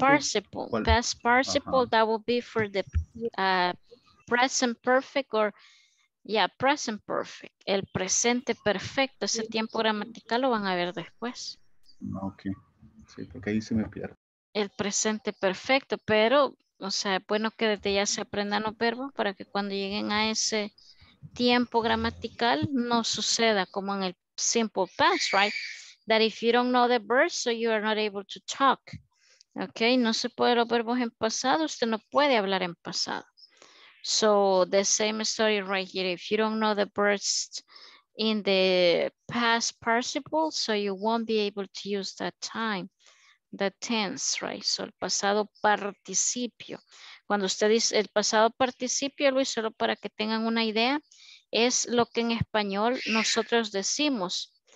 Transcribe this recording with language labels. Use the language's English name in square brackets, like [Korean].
[English] Past participle. ¿Cuál? Past participle. Ajá. That would be for the present perfect or yeah, present perfect, [Spanish] el presente perfecto, ese tiempo gramatical lo van a ver después. Ok, sí, porque ahí se me pierde. El presente perfecto, pero, o sea, es bueno que desde ya se aprendan los verbos para que cuando lleguen a ese tiempo gramatical no suceda como en el simple past, right? [English] That if you don't know the verb, so you are not able to talk. [Spanish] Ok, no se puede los verbos en pasado, usted no puede hablar en pasado. [English] So the same story right here. If you don't know the verbs in the past participle, so you won't be able to use that time, the tense, right? [Spanish] So el pasado participio. Cuando usted dice el pasado participio, Luis, solo para que tengan una idea, es lo que en español nosotros decimos.